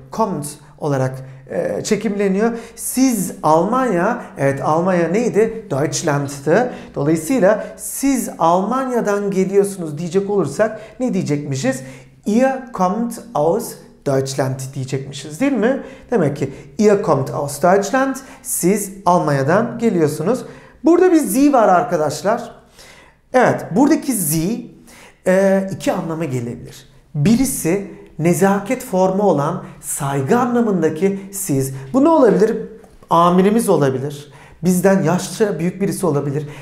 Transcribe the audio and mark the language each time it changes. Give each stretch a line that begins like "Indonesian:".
Turkish: Compt olarak çekimleniyor. Siz Almanya, evet Almanya neydi? Deutschland'tı. Dolayısıyla siz Almanya'dan geliyorsunuz diyecek olursak ne diyecekmişiz?
German: Ihr kommt aus Deutschland
Turkish: diyecekmişiz değil mi? Demek ki
German: ihr kommt aus Deutschland.
Turkish: Siz Almanya'dan geliyorsunuz. Burada bir Z var arkadaşlar. Evet, buradaki Z iki anlamı gelebilir. Birisi nezaket formu olan saygı anlamındaki siz. Bu ne olabilir? Amirimiz olabilir. Bizden yaşça büyük birisi olabilir.